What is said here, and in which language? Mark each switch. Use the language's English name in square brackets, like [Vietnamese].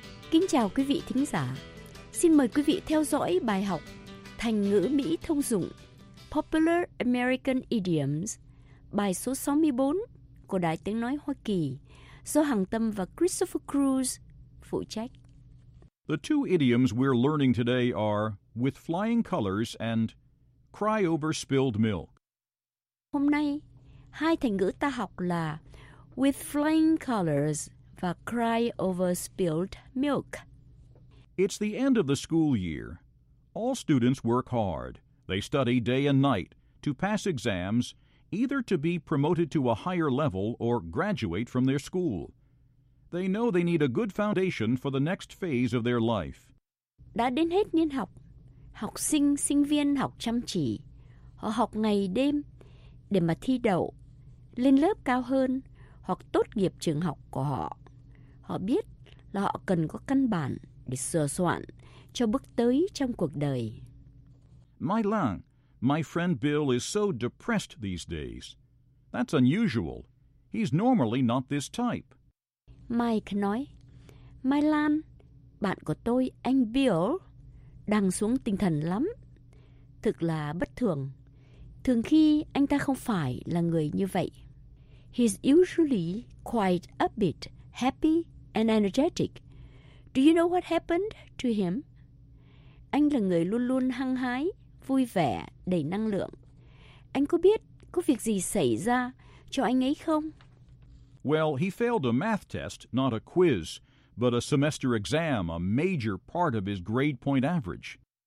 [Vietnamese] Kính chào quý vị thính giả. Xin mời quý vị theo dõi bài học Thành ngữ Mỹ thông dụng [English] Popular American Idioms, [Vietnamese] bài số 64 của Đài Tiếng Nói Hoa Kỳ do Hằng Tâm và Christopher Cruz phụ trách. [English] The two idioms we're learning today are with flying colors and cry over spilled milk. [Vietnamese] Hôm nay, hai thành ngữ ta học là [English] with flying colors [Vietnamese] và [English] cry over spilled milk. It's the end of the school year. All students work hard. They study day and night to pass exams, either to be promoted to a higher level or graduate from their school. They know they need a good foundation for the next phase of their life. [Vietnamese] Đã đến hết niên học, học sinh, sinh viên học chăm chỉ. Họ học ngày đêm để mà thi đậu, lên lớp cao hơn hoặc tốt nghiệp trường học của họ. Họ biết là họ cần có căn bản để sửa soạn cho bước tới trong cuộc đời. [English] Mai Lang, my friend Bill is so depressed these days. That's unusual. He's normally not this type. [Vietnamese] Mike nói, Mai Lan, bạn của tôi, anh Bill, đang xuống tinh thần lắm. Thực là bất thường. Thường khi anh ta không phải là người như vậy. [English] He's usually quite upbeat, happy and energetic. Do you know what happened to him? [Vietnamese] Anh là người luôn luôn hăng hái, vui vẻ, đầy năng lượng. Anh có biết có việc gì xảy ra cho anh ấy không? [English] Well, he failed a math test, not a quiz, but a semester exam, a major part of his grade point average.